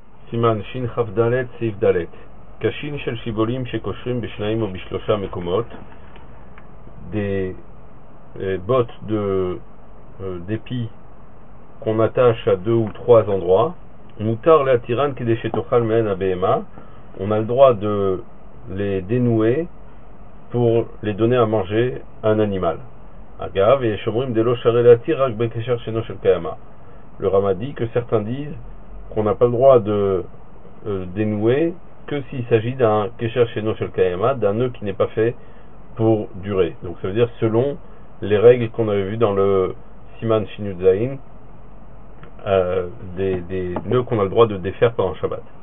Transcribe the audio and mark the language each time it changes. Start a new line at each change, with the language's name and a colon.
Hebrew: סימן שכ"ד סעיף ד' קשין של שיבולים שקושרים בשניים או בשלושה מקומות
French: des bottes de pi qu'on attache à deux ou trois endroits
Hebrew: מותר להתירן כדי שתאכל מהן הבהמה.
French: On a le droit de les dénouer pour les donner à manger à un animal.
Hebrew: אגב, יש אומרים דלא שרי להתיר רק בקשר שינו של קיימה.
French: Le Rama dit que certains disent qu'on n'a pas le droit de dénouer que s'il s'agit d'un kesher sheno shel kayama, d'un nœud qui n'est pas fait pour durer. Donc ça veut dire selon les règles qu'on avait vues dans le siman shinudzain, des nœuds qu'on a le droit de défaire pendant Shabbat.